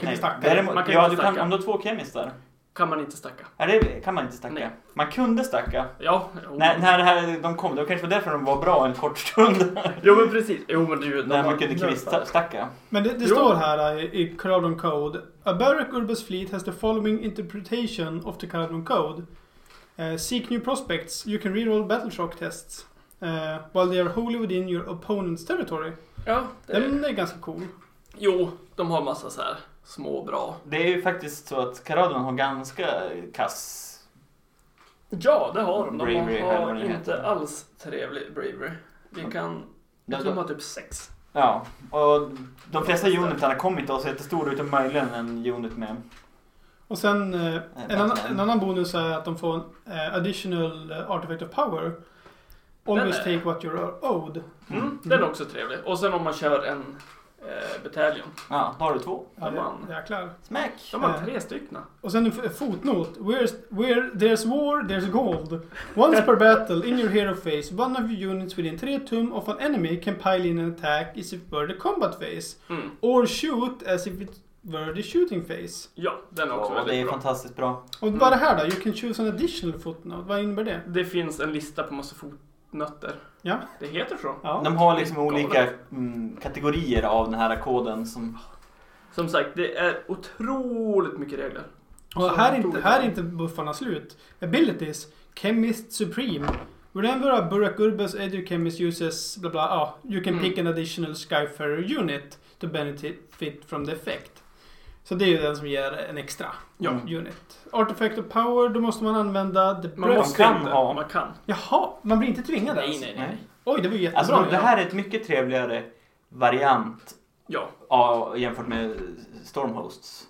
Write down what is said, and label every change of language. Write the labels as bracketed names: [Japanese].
[Swedish] Om du har två kemister. Kan man inte stacka. Nej. Man kunde stacka. Ja. När det här, de kom, det var kanske därför de var bra en kort stund. Jo, men precis. Jo, men du, när man kunde stacka. Men det står här i Caradon Code. [English] A Barak Urbas fleet has the following interpretation of the Caradon Code. Seek new prospects. You can reroll battle shock tests. While they are wholly within your opponent's territory. [Swedish] Ja. Den är ganska cool. Jo, de har massa så här små bra. Det är ju faktiskt så att Caradon har ganska kass. Ja, det har de. Bravery, de har inte alls trevlig bravery. De har typ 6. Ja, och de flesta unitarna kommer inte att se jättestora ut, möjligen en unit med. Och sen en annan bonus är att de får en [English] additional artifact of power. Always take what you are owed. [Swedish] Den är också trevlig. Och sen om man kör en Battalion. Ja, har du två? Ja, klar. Smack! De har tre styckna. Och sen en fotnot. [English] Where there's war, there's gold. Once per battle, in your hero phase, one of your units within 3 tum of an enemy can pile in an attack as if it were the combat phase. Or shoot as if it were the shooting phase. [Swedish] Ja, den är också väldigt bra. Det är fantastiskt bra. Och bara det här då? [English] You can choose an additional footnote. [Swedish] Vad innebär det? Det finns en lista på massa fotnoter. Ja. Det heter så. Ja. De har liksom olika kategorier av den här koden. Som sagt, det är otroligt mycket regler. Och här är inte buffarna slut. [English] Abilities. Chemist Supreme. Whenever a Barak Urbas Educhemist uses blah blah, you can pick an additional Skyfarer unit to benefit from the effect. [Swedish] Så det är ju den som ger en extra unit. Artifact of power, då måste man använda the man kan. Jaha, man blir inte tvingad. Nej. Oj, det var jättebra. Alltså, det här är ett mycket trevligare variant jämfört med Stormhosts.